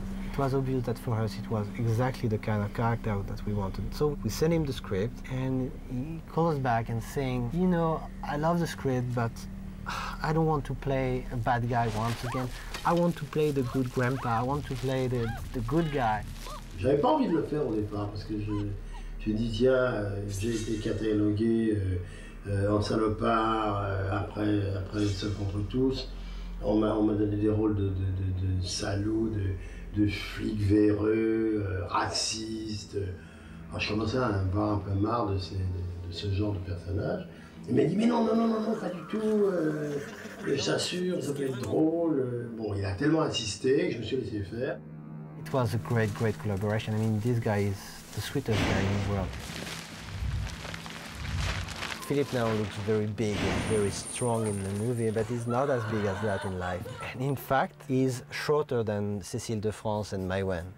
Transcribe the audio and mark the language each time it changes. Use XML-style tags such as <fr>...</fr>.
<en>It was obvious that for us it was exactly the kind of character that we wanted. So we sent him the script and he calls back and saying, you know, I love the script, but I don't want to play a bad guy once again. I want to play the good grandpa. I want to play the good guy.</en> <fr>J'avais pas envie de le faire au départ parce que je dis, tiens, j'ai été catalogué en salopard après les seuls contre tous. On m'a donné des rôles de salaud, de flics véreux, racistes. Alors, je commençais à avoir un peu marre de ce genre de personnage. Il m'a dit, mais non, pas du tout. Je t'assure, ça peut être drôle. Bon, il a tellement insisté que je me suis laissé faire.</fr> <en>It was a great, great collaboration. I mean, this guy is the sweetest guy in the world. Philippe now looks very big and very strong in the movie, but he's not as big as that in life. And in fact, he's shorter than Cécile de France and Maiwenn.</en>